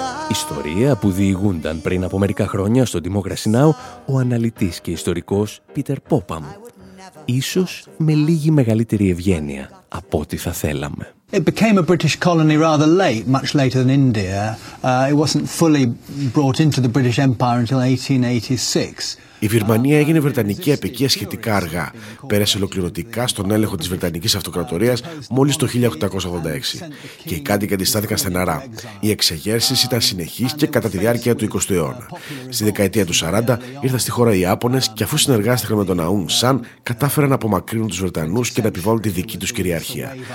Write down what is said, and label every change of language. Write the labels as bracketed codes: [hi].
[el] Ιστορία που διηγούνταν πριν από μερικά χρόνια στο Democracy Now ο αναλυτής και ιστορικός Πίτερ Πόπαμ. Ίσως με λίγη μεγαλύτερη ευγένεια από ό,τι θα θέλαμε. [en] It became a British colony rather late, much later than India. It wasn't fully brought into the British Empire until 1886. [el] Η Βιρμανία έγινε Βρετανική επικία σχετικά αργά. Πέρασε ολοκληρωτικά στον έλεγχο της Βρετανικής Αυτοκρατορίας μόλις το 1886 και οι κάτοικοι αντιστάθηκαν στεναρά. Οι εξεγέρσεις ήταν συνεχείς και κατά τη διάρκεια του 20ου αιώνα. Στη δεκαετία του 40 ήρθαν στη χώρα οι Ιάπωνες και αφού συνεργάστηκαν με τον Aung San, κατάφεραν να απομακρύνουν τους Βρετανούς και να επιβάλλουν τη δική τους κυριαρχία.